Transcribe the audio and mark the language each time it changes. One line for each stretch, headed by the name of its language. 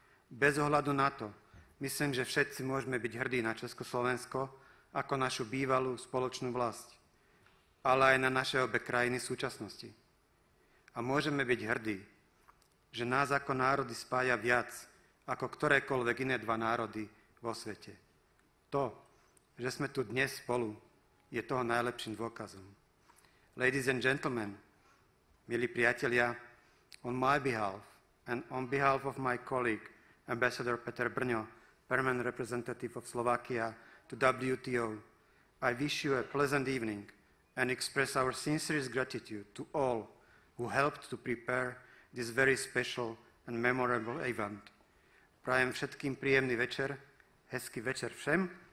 Slovak: Bez ohľadu na to, myslím, že všetci môžeme byť hrdí na Československo ako našu bývalú spoločnú vlasť, ale aj na naše obe krajiny súčasnosti. A môžeme byť hrdí, že nás ako národy spája viac ako ktorékoľvek iné dva národy vo svete. To, že sme tu dnes spolu, je toho najlepším dôkazom.
English: Ladies and gentlemen,
Slovak: milí priatelia,
English: on my behalf and on behalf of my colleague, Ambassador Peter Brňo, permanent representative of Slovakia to WTO, I wish you a pleasant evening and express our sincerest gratitude to all who helped to prepare this very special and memorable event.
Slovak: Prajem všetkým príjemný večer,
Czech: hezký večer všem.